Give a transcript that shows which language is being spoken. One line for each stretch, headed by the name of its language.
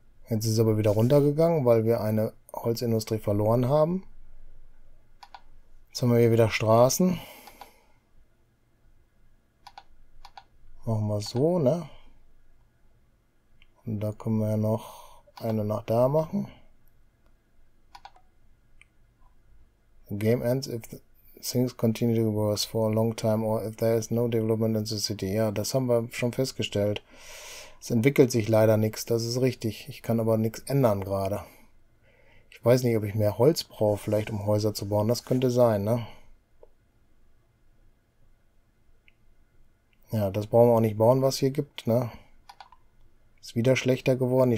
German: Jetzt ist es aber wieder runtergegangen, weil wir eine Holzindustrie verloren haben. Jetzt haben wir hier wieder Straßen. Machen wir so, ne? Und da können wir ja noch eine nach da machen.
English: Game ends if the things continue to worse for a long time or if there is no development in the city.
German: Ja, das haben wir schon festgestellt. Es entwickelt sich leider nichts, das ist richtig. Ich kann aber nichts ändern gerade. Ich weiß nicht, ob ich mehr Holz brauche, vielleicht um Häuser zu bauen. Das könnte sein, ne? Ja, das brauchen wir auch nicht bauen, was hier gibt, ne? Ist wieder schlechter geworden.